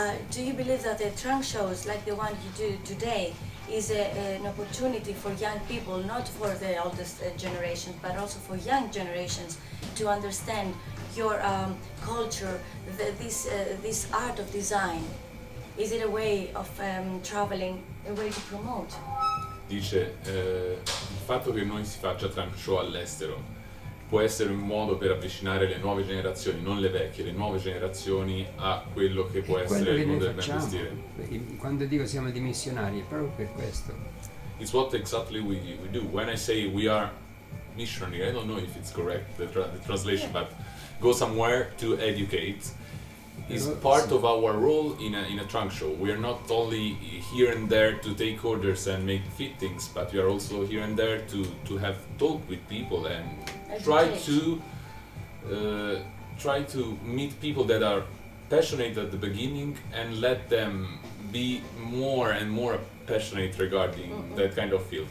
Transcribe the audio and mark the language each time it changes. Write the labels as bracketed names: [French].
[English] Do you believe that a trunk shows like the one you do today is an opportunity for young people, not for the oldest generation, but also for young generations to understand your culture, this art of design? Is it a way of traveling, a way to promote? [Italian] Dice, il fatto che noi si faccia trunk show all'estero può essere un modo per avvicinare le nuove generazioni, non le vecchie, le nuove generazioni a quello che può essere il mondo del ben vestire. Quando dico siamo dei missionari, è proprio per questo. [English] It's what exactly we do. When I say we are missionary, I don't know if it's correct, the translation, yeah. But go somewhere to educate. is part of our role in a trunk show. We are not only here and there to take orders and make fittings, but we are also here and there to have talk with people and try to meet people that are passionate at the beginning and let them be more and more passionate regarding that kind of field.